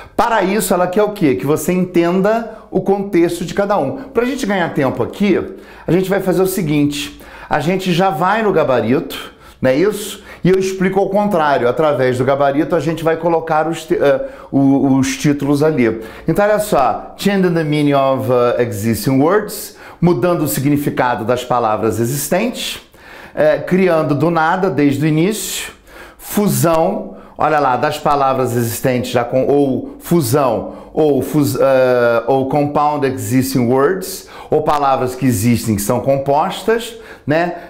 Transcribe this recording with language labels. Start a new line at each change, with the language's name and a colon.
Portuguese: Para isso, ela quer o quê? Que você entenda o contexto de cada um. Para a gente ganhar tempo aqui, a gente vai fazer o seguinte. A gente já vai no gabarito, não é isso? E eu explico ao contrário. Através do gabarito, a gente vai colocar os títulos ali. Então, olha só.
English: Changing the meaning of existing words.
Portuguese: Mudando o significado das palavras existentes. Criando do nada, desde o início. Fusão. Olha lá, das palavras existentes já com ou fusão ou compound existing words, ou palavras que existem que são compostas, né?